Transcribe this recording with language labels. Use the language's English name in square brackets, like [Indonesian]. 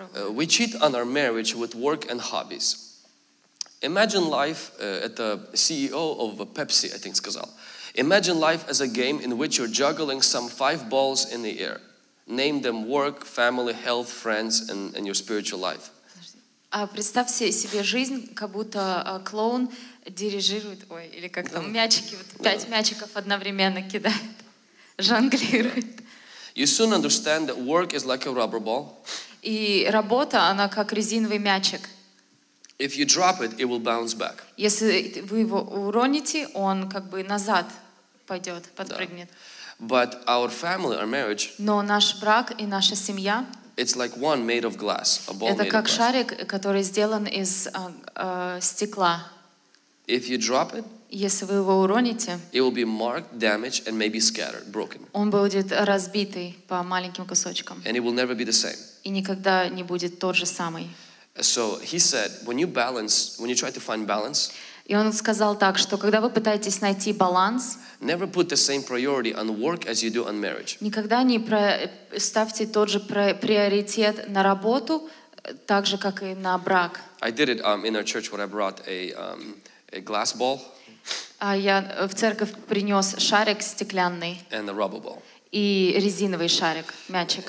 [English] We cheat on our marriage with work and hobbies. Imagine life, [Russian] это [English] CEO of Pepsi, I think, [Russian] сказал. [English] Imagine life as a game in which you're juggling some 5 balls in the air. Name them work, family, health, friends, and your spiritual life. [Russian] Представь себе жизнь, как будто клоун дирижирует, мячики, вот 5 мячиков одновременно кидает, жонглирует. [English] You soon understand that work is like a rubber ball. [Russian] И работа, она как резиновый мячик. [English] If you drop it, it will bounce back. [Russian] Если вы его уроните, он как бы назад пойдет, подпрыгнет. [English] But our family, our marriage. [Russian] Но наш брак и наша семья. [English] It's like one made of glass, a ball made of glass. [Russian] Шарик, который сделан из стекла. [English] If you drop it, [Russian] если вы его уроните, [English] it will be marked, damaged, and maybe scattered, broken. [Russian] Он будет разбитый по маленьким кусочкам. [English] And it will never be the same. [Russian] И никогда не будет тот же самый. [English] So he said, when you try to find balance. [Russian] И он сказал так, что когда вы пытаетесь найти баланс, [English] never put the same priority on work as you do on marriage. [Russian] Никогда не ставьте тот же приоритет на работу, так же, как и на брак. [English] I did it in our church where I brought a glass ball. [Russian] А я в церковь принес шарик стеклянный. [English] And a rubber ball. [Russian] И резиновый шарик, мячик.